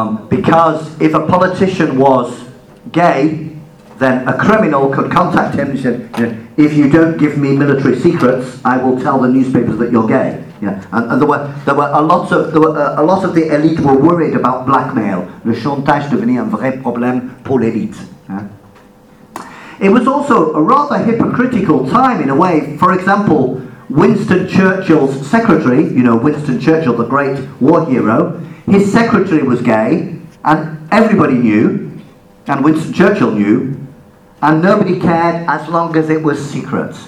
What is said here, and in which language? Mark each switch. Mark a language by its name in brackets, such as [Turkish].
[English] Because if a politician was gay, then a criminal could contact him and said, if you don't give me military secrets, I will tell the newspapers that you're gay. Yeah, and there were a lot of the elite were worried about blackmail. [French] Le chantage devenait un vrai problème pour l'élite. [English] Yeah. It was also a rather hypocritical time in a way. For example, Winston Churchill's secretary, you know, Winston Churchill, the great war hero, his secretary was gay, and everybody knew, and Winston Churchill knew, and nobody cared as long as it was secret.